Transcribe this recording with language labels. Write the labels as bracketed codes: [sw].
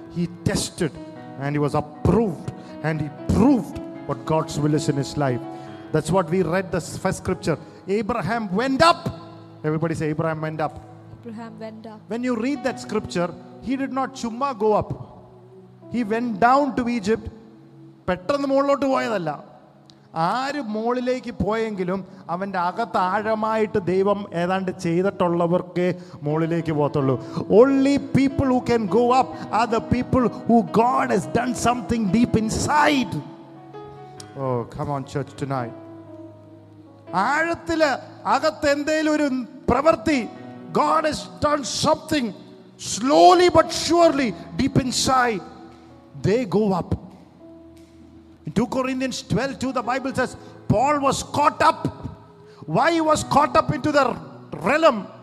[en] He tested and he was approved and he proved what God's will is in his life. That's what we read the first scripture. Abraham went up. Everybody say Abraham went up. Abraham went up. When you read that scripture, he did not chumma go up. He went down to Egypt. [ml] Petra the mollotu poyadalla. ആര് മുകളിലേക്ക് പോയെങ്കിലും അവൻ്റെ അകത്താഴമായിട്ട് ദൈവം ഏതാണ്ട് ചെയ്തിട്ടുള്ളവർക്കേ മുകളിലേക്ക് പോകത്തുള്ളൂ. [en] Only people who can go up are the people who God has done something deep inside. Oh come on church tonight. [ml] ആഴത്തില് അകത്ത് എന്തെങ്കിലും ഒരു പ്രവൃത്തി, [en] God has done something slowly but surely deep inside they go up. In 2 Corinthians 12, 2, the Bible says, Paul was caught up. Why he was caught up into the realm?